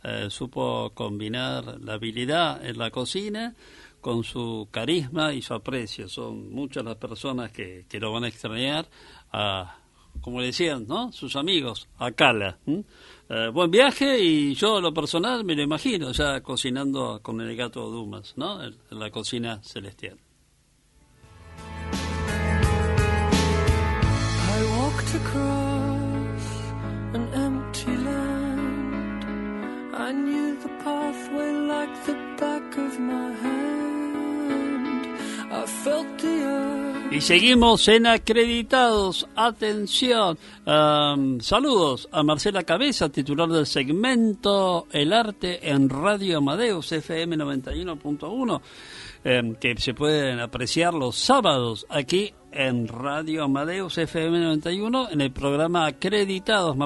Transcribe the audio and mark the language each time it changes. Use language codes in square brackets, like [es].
[es] Supo combinar la habilidad en la cocina con su carisma y su aprecio. Son muchas las personas que lo van a extrañar como le decían, ¿no?, sus amigos, a Cala. Buen viaje, y yo lo personal me lo imagino ya cocinando con el gato Dumas, ¿no?, en la cocina celestial. [en] I walked across an empty land. I knew the pathway like the back of my hand. I felt the earth. [es] Y seguimos en Acreditados. Atención, saludos a Marcela Cabeza, titular del segmento El Arte en Radio Amadeus FM 91.1, que se pueden apreciar los sábados aquí en Radio Amadeus FM 91 en el programa Acreditados.